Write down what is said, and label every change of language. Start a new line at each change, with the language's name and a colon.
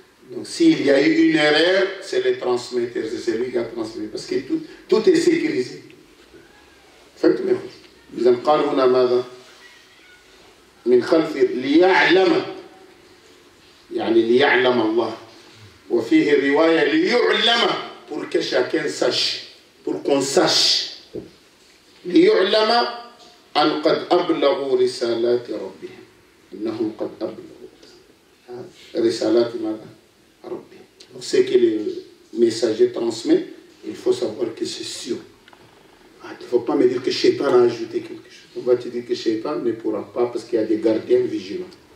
French: Donc s'il y a eu une erreur, c'est le transmetteur, c'est celui qui a transmis. Parce que tout est sécurisé.
Arabic: فهمت ما يقول؟ إذن قال هنا ماذا؟ من خلف ليعلم يعني ليعلم الله وفيه رواية ليعلم
French: pour que chacun sache, pour qu'on sache.
Arabic: ليعلم أن قد أبلغوا رسالات ربهم أنهم قد أبلغوا رسالات ماذا؟
French: Donc ce que le messager transmet, il faut savoir que c'est sûr. Il ne faut pas me dire que Shaitan a ajouté quelque chose. On va te dire que Shaitan ne pourra pas parce qu'il y a des gardiens vigilants.